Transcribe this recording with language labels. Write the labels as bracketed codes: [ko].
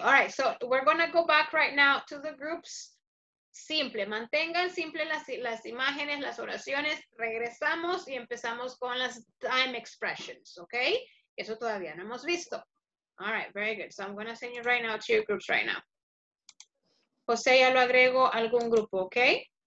[en] All right, so we're going to go back right now to the groups. [es] Simple, mantengan simple las imágenes, las oraciones. Regresamos y empezamos con las time expressions, okay? Eso todavía no hemos visto. [en] All right, very good. So I'm going to send you right now to your groups right now. [es] José, ya lo agrego a algún grupo, okay?